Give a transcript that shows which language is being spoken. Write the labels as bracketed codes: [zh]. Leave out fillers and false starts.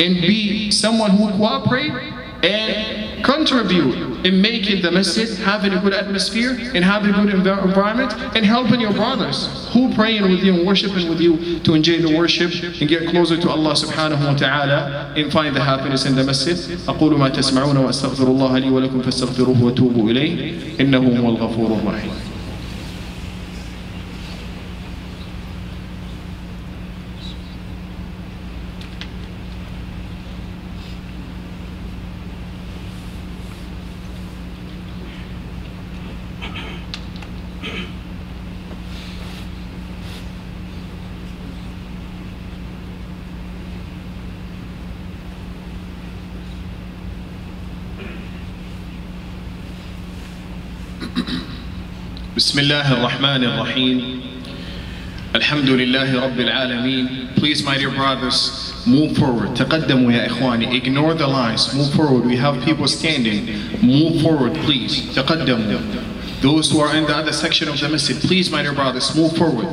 [en] And be someone who cooperate and contribute in making the masjid, having a good atmosphere and having a good environment and helping your brothers who praying with you and worshiping with you to enjoy the worship and get closer to Allah subhanahu wa ta'ala and find the happiness in the masjid. [ar] أقول ما تسمعون وأستغفر الله لي ولكم فاستغفروه وتوبوا إليه إنه هو الغفور الرحيم. بسم الله الرحمن الرحيم الحمد لله رب العالمين. [en] Please my dear brothers, move forward. [ar] تقدموا يا إخواني. [en] Ignore the lines. Move forward. We have people standing. Move forward, please. [ar] تقدموا. [en] Those who are in the other section of the masjid, please my dear brothers, move forward.